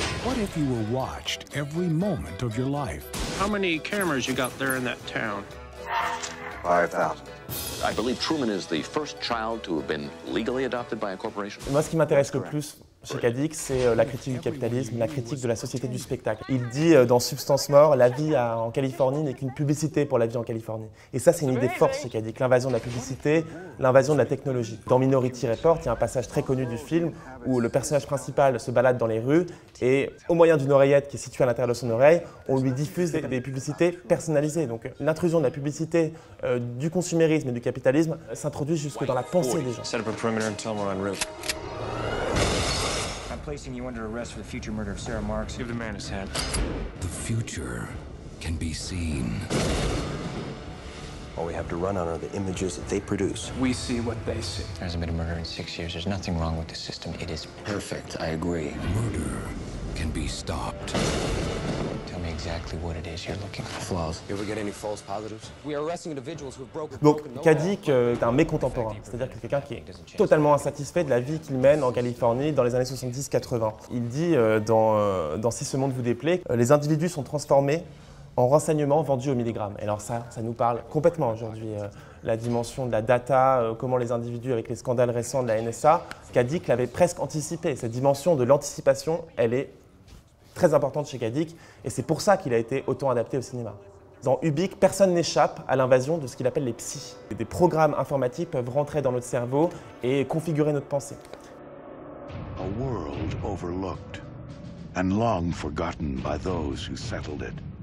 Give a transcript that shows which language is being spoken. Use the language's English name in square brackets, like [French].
[English] What if you were watched every moment of your life? How many cameras you got there in that town? 5,000. I believe Truman is the first child to have been legally adopted by a corporation. [French] Moi, ce qui m'intéresse le plus chez Kadik, c'est la critique du capitalisme, la critique de la société du spectacle. Il dit dans Substance Mort, la vie en Californie n'est qu'une publicité pour la vie en Californie. Et ça, c'est une idée forte chez Kadik, l'invasion de la publicité, l'invasion de la technologie. Dans Minority Report, il y a un passage très connu du film où le personnage principal se balade dans les rues et au moyen d'une oreillette qui est située à l'intérieur de son oreille, on lui diffuse des publicités personnalisées. Donc l'intrusion de la publicité, du consumérisme et du capitalisme s'introduit jusque dans la pensée des gens. [English] Placing you under arrest for the future murder of Sarah Marks. Give the man his hat. The future can be seen. All we have to run on are the images that they produce. We see what they see. There hasn't been a murder in 6 years. There's nothing wrong with the system. It is perfect. I agree. Murder can be stopped. Exactly what it is you're looking for. Flaws. Do we get any false positives? We are arresting individuals who have broken. [French] Donc, Kadik est un mécontemporain, c'est-à-dire que quelqu'un qui est totalement insatisfait de la vie qu'il mène en Californie dans les années 70-80. Il dit dans Si ce monde vous déplaît, les individus sont transformés en renseignements vendus au milligramme. Et alors ça nous parle complètement aujourd'hui. la dimension de la data, comment les individus avec les scandales récents de la NSA, Kadic l'avait presque anticipé. Cette dimension de l'anticipation, elle est très importante chez Kadic et c'est pour ça qu'il a été autant adapté au cinéma. Dans Ubique, personne n'échappe à l'invasion de ce qu'il appelle les psys. Des programmes informatiques peuvent rentrer dans notre cerveau et configurer notre pensée. [English] A world overlooked and long forgotten by those who settled it.